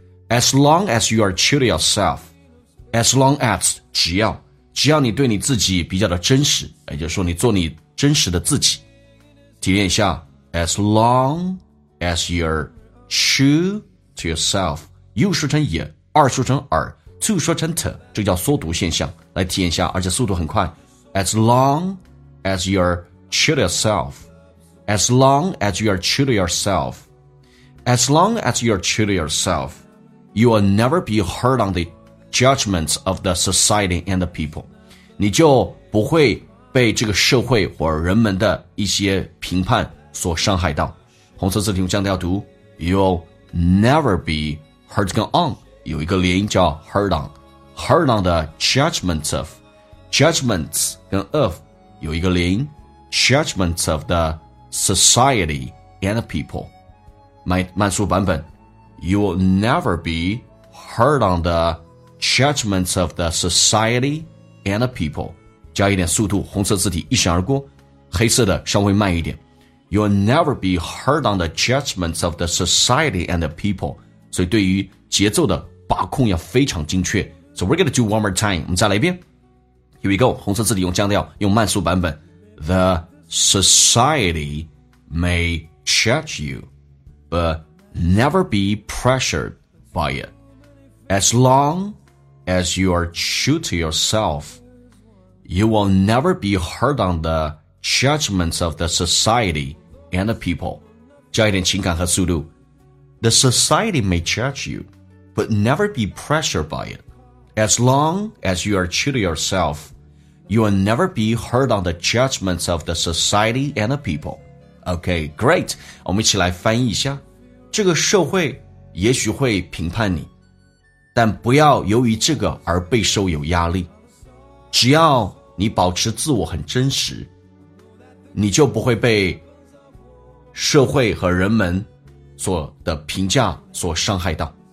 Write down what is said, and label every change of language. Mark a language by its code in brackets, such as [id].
[en] As long as you are true to yourself, as long as [zh] 只要你对你自己比较的真实，也就是说你做你真实的自己。体验一下 [en] ，as long as you're true to yourself. [zh] You 说成也，二说成而 ，to 说成 t， 这叫缩读现象。来体验一下，而且速度很快。 [en] As long as you're true to yourself. As long as you are true to yourself, as long as you are true to yourself, you will never be hurt on the judgments of the society and the people. [zh] 你就不会被这个社会或人们的一些评判所伤害到。红色字体用降调读 ， [en] You'll never be hurt on. [zh] 有一个连音叫 [en] hurt on the judgments of judgments 跟 of [zh] 有一个连音 [en] judgments of the. Society and people. [zh] 慢速版本 [en] You will never be hurt on the judgments of the society and the people. [zh] 加一点速度，红色字体一闪而过，黑色的稍微慢一点。 [en] You will never be hurt on the judgments of the society and the people. [zh] 所以对于节奏的把控要非常精确。 [en] So we're going to do one more time. [zh] 我们再来一遍。 [en] Here we go. [zh] 红色字体用降调，用慢速版本。 [en] The... Society may judge you, but never be pressured by it. As long as you are true to yourself, you will never be hurt on the judgments of the society and the people. [zh] 加一点情感和速度。 [en] The society may judge you, but never be pressured by it. As long as you are true to yourself,You will never be hurt on the judgments of the society and the people. Okay, great. [zh] 我们一起来翻译一下。这个社会也许会评判你，但不要由于这个而备受有压力。只要你保持自我很真实，你就不会被社会和人们所的评价所伤害到。